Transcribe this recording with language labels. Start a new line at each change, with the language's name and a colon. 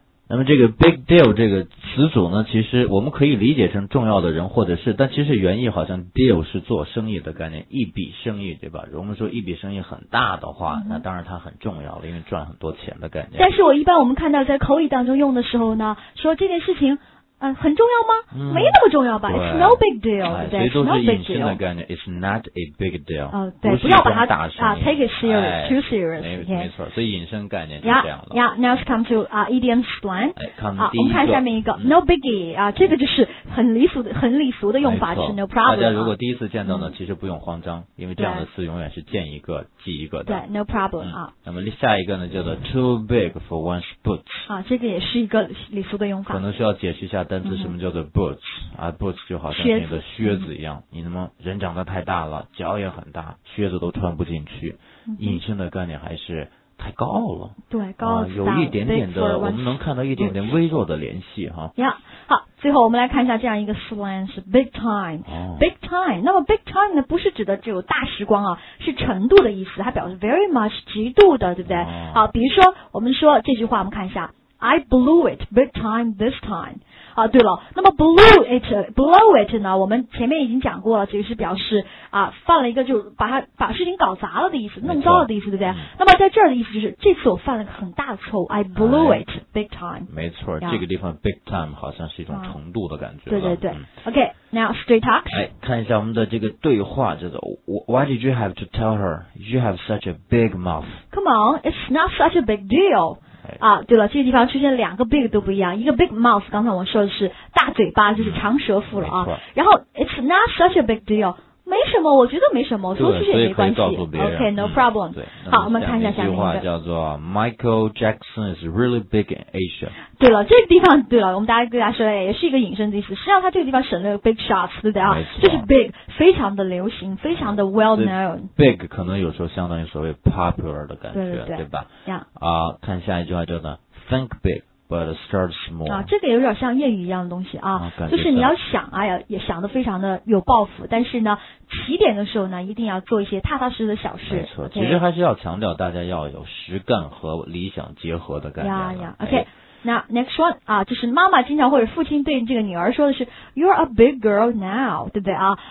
Chinese: 那么这个 big deal 这个词组呢，其实我们可以理解成重要的人或者是，但其实原意好像 deal 是做生意的概念，一笔生意，对吧？如果我们说一笔生意很大的话，那当然它很重要了，因为赚很多钱的概念。但是我一般我们看到在口语当中用的时候呢，说这件事情很重要吗？没那么重要吧
English: ，It's no big deal，
Chinese: 对不对？所以都是隐性的概念
English: ，It's not a big deal。
Chinese: 对，不要把它打上
English: 啊 ，Take it serious， too serious，
Chinese: 没错，所以隐性概念是这样的。
English: Yeah， now it's come to idioms one。
Chinese: 看我们看下面一个 ，
English: no biggie
Chinese: 啊，这个就是很离俗的、很礼俗的用法，是
English: no problem。
Chinese: 大家如果第一次见到呢，其实不用慌张，因为这样的词永远是见一个记一个的。对 ，
English: no problem
Chinese: 啊。那么下一个呢，叫做
English: too big for one's boots。
Chinese: 啊，这个也是一个礼俗的用法，可能需要解释一下。单词什么叫做 boots 啊 ？boots 就好像你的靴子一样，你那么人长得太大了，脚也很大，靴子都穿不进去。隐性的概念还是太高了，对，高了，有一点点的，我们能看到一点点微弱的联系哈。好，最后我们来看一下这样一个 slang 是 big time， big time。那么 big time 呢，不是指的只有大时光啊，是程度的意思，它表示
English: very much
Chinese: 极度的，对不对？好，比如说我们说这句话，我们看一下 ，
English: I blew it big time this time。
Chinese: 啊，对了，那么 blow it 呢？我们前面已经讲过了，这个是表示啊，犯了一个就把事情搞砸了的意思，弄糟了的意思，对不对？那么在这儿的意思就是，这次我犯了很大的错误 ，
English: I blew it big time。
Chinese: 没错，这个地方 big time 好像是一种程度的感觉。对对对
English: ，OK， now straight talk。
Chinese: 哎，看一下我们的这个对话，这个
English: Why did you have to tell her you have such a big mouth？ Come on， it's not such a big deal。
Chinese: 啊，对了，这个地方出现两个 big 都不一样，一个
English: big mouth，
Chinese: 刚才我说的是大嘴巴，就是长舌妇了啊。然后
English: it's not such a big deal，
Chinese: 没什么，我觉得没什么，说出去也没关系。
English: OK， no problem。
Chinese: 好，我们看一下下面一句话叫做
English: Michael Jackson is really big in Asia。
Chinese: 对了，这个地方对了，我们大家跟大家说，也是一个引申的意思。实际上，他这个地方省略 big shots， 对不对啊？就是 big， 非常的流行，非常的
English: well known。
Chinese: big 可能有时候相当于所谓 popular 的感觉，对， 对，对，对吧？看下一句话叫做
English: think big but start small。
Chinese: 啊，这个有点像谚语一样的东西啊，就是你要想，哎呀，也想的非常的有抱负，但是呢，起点的时候呢，一定要做一些踏踏实实的小事。没错，
English: okay，
Chinese: 其实还是要强调大家要有实干和理想结合的感觉。
English: OK。
Chinese: 那
English: next one
Chinese: 啊，就是妈妈经常或者父亲对这个女儿说的是
English: You're a big girl now，
Chinese: 对不对啊？